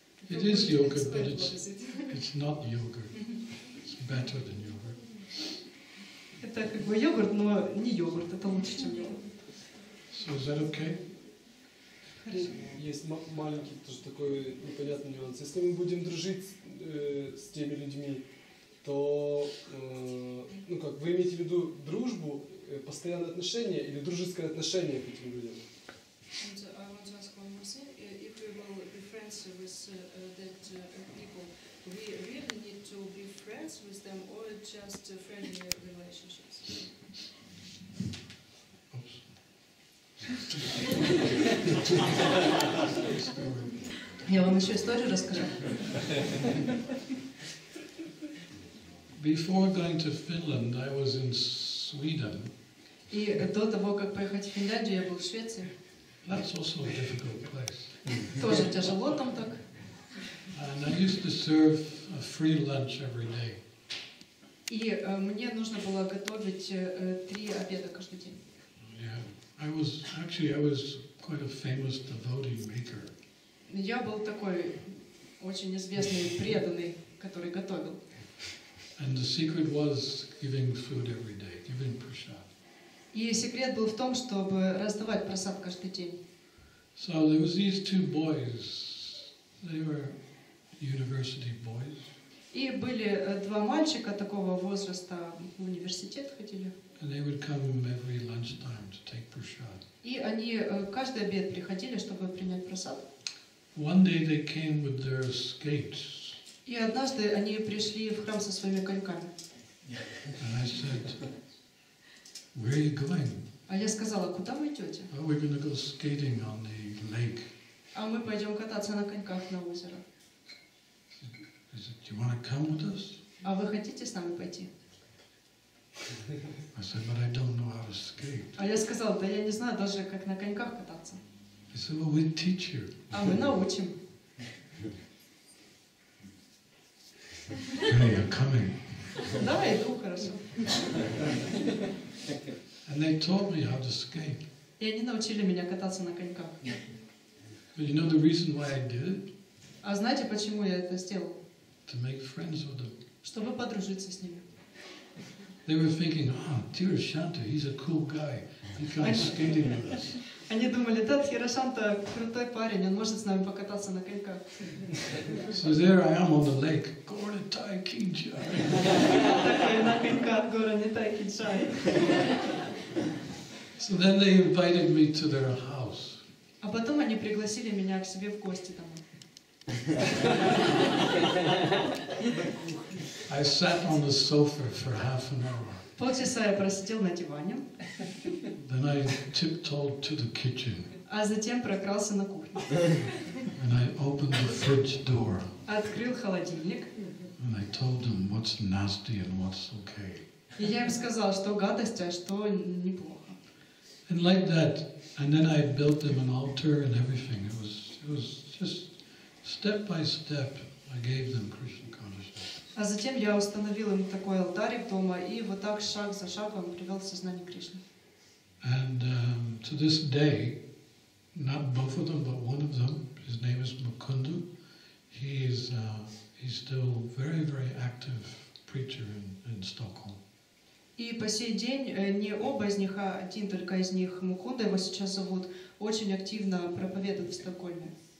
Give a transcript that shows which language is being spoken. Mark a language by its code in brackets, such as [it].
[en] It is yogurt, but it's not yogurt. It's better than yogurt. [ru] Это как бы йогурт, но не йогурт, это лучше, чем йогурт. [en] So is that okay? [ru] Есть маленький тоже такой непонятный нюанс. Если мы будем дружить с теми людьми, то, ну как, вы имеете в виду дружбу, постоянное отношение или дружеское отношение к этим людям? [en] And I want to ask one more thing. If we will be friends with that people, we really need to be friends with them or just friendly relationships? [ru] Я вам еще историю расскажу. [en] Before going to Finland, I was in Sweden. [ru] И до того, как поехать в Финляндию, я был в Швеции. [en] That's also a difficult place. [ru] Тоже тяжело там так. [en] And I used to serve a free lunch every day. [ru] И мне нужно было готовить три обеда каждый день. [en] Yeah, I was quite a famous devotee maker. [ru] Я был такой очень известный преданный, который готовил. [en] And the secret was giving food every day, giving prasad. [ru] И секрет был в том, чтобы раздавать просад каждый день. [en] So there was these two boys. They were university boys. [ru] И были два мальчика такого возраста, в университет ходили. [en] And they would come every lunchtime to take prasad. [ru] И они каждый обед приходили, чтобы принять просад. [en] One day they came with their skates. [ru] И однажды они пришли в храм со своими коньками. [en] And I said, where are you going? [ru] А я сказала, куда вы идете? [en] Oh, we're going to go skating on the lake. [ru] А мы пойдем кататься на коньках на озеро. [en] I said, do you want to come with us? [ru] А вы хотите с нами пойти? [en] I said, but I don't know how to skate. [ru] А я сказала, да я не знаю даже как на коньках кататься. [en] I said, well, we'll teach you. [ru] А мы научим. [en] Okay, you're coming. [ru] Давай, иду, хорошо. [en] And they taught me how to skate. [ru] И они научили меня кататься на коньках. [en] But you know the reason why I did it? [ru] А знаете, почему я это сделал? [en] To make friends with them. [ru] Чтобы подружиться с ними. [en] They were thinking, oh, Tirushanta, he's a cool guy. He comes skating with us. [ru] Они думали, да, Тирушанта крутой парень, он может с нами покататься на коньках. [en] So there I am on the lake, Gora Nitai Kinchai. [ru] Такой на коньках, Gora Nitai Kinchai. [en] So then they invited me to their house. [ru] А потом они пригласили меня к себе в гости там. [en] I sat on the sofa for half an hour. [ru] Полчаса я просидел на диване. [en] Then I tiptoed to the kitchen. [ru] А затем прокрался на кухню. [en] And I opened the fridge door. [ru] Открыл холодильник. [en] And I told them what's nasty and what's okay. [ru] И я им сказал, что гадость, а что неплохо. [en] And like that, and then I built them an altar and everything. It was just step by step, I gave them Krishna consciousness. [ru] А затем я установил им такой алтарик дома и вот так шаг за шагом привел сознание Кришны. [en] And to this day, not both of them, but one of them, his name is Mukundu. He is he's still very, very active preacher in Stockholm. [ru] И по сей день не оба из них, а один только из них, Мукунда, его сейчас зовут, очень активно проповедует в Стокгольме.